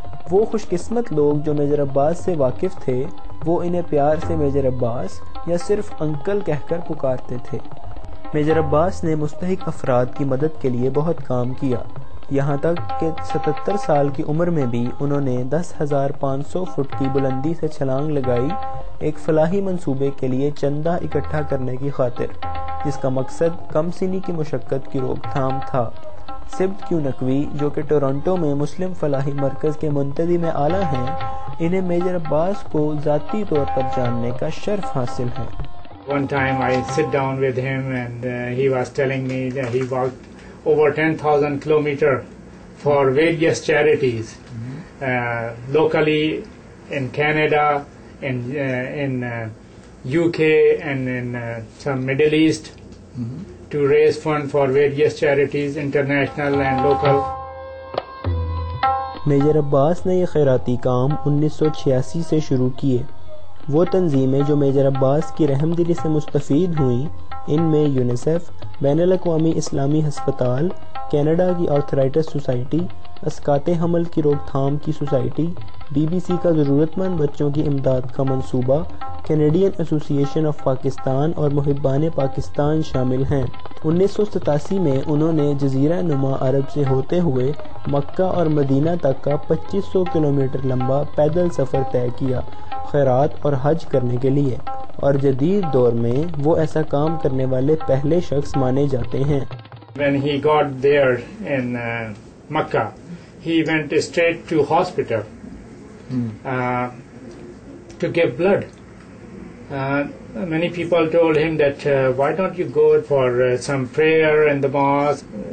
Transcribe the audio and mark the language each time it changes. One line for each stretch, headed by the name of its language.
Urdu: وہ خوش قسمت لوگ جو میجر عباس سے واقف تھے وہ انہیں پیار سے میجر عباس یا صرف انکل کہہ کر پکارتے تھے میجر عباس نے مستحق افراد کی مدد کے لیے بہت کام کیا یہاں تک کہ 77 سال کی عمر میں بھی انہوں نے 10,500 فٹ کی بلندی سے چھلانگ لگائی ایک فلاحی منصوبے کے لیے چندہ اکٹھا کرنے کی خاطر جس کا مقصد کم سینی کی مشقت کی روک تھام تھا سبت کیو نقوی جو کہ ٹورنٹو میں مسلم فلاحی مرکز کے منتدی میں اعلیٰ ہیں انہیں میجر عباس کو ذاتی طور پر جاننے کا شرف حاصل ہے
English: One time I sit down with him and he was telling me that he walked over 10,000 kilometers for various charities locally in Canada and in UK and in some Middle East to raise funds for various charities, international and local.
Urdu: Major Abbas نے یہ خیراتی کام 1986 سے شروع کیے. وہ تنظیمیں جو Major Abbas کی رحم دلی سے مستفید ہوئیں ان میں UNICEF, بین الاقوامی اسلامی ہسپتال, کینیڈا کی آرتھرائٹس سوسائٹی, اسکات حمل کی روک تھام کی سوسائٹی, بی بی سی کا ضرورت مند بچوں کی امداد کا منصوبہ, کینیڈین ایسوسیشن آف پاکستان اور محبان پاکستان شامل ہیں 1987 میں انہوں نے جزیرہ نما عرب سے ہوتے ہوئے مکہ اور مدینہ تک کا 2500 کلومیٹر لمبا پیدل سفر طے کیا خیرات اور حج کرنے کے لیے اور جدید دور میں وہ ایسا کام کرنے والے پہلے شخص مانے جاتے ہیں
English: When he got there in Makkah, he went straight to hospital to get blood. Many people told him that, why don't you go for some prayer in the mosque?